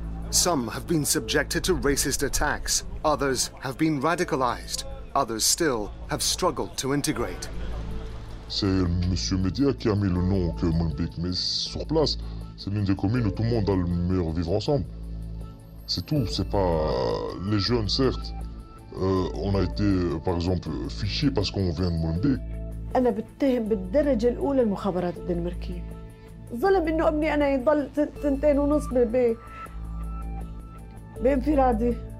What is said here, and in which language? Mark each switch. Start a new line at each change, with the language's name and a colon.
English: Some have been subjected to racist attacks, others have been radicalized, others still have struggled to integrate.
French: C'est Monsieur Média qui a mis le nom que Molenbeek, mais sur place, c'est l'une des communes où tout le monde a le meilleur vivre ensemble. C'est tout, c'est pas les jeunes, certes. On a été, par exemple, fiché parce qu'on vient de Molenbeek.
Arabic: أنا بتهم بالدرجة الأولى المخابرات الدنماركية. ظلم إنه أبني أنا يضل سنتين ونص بانفرادي.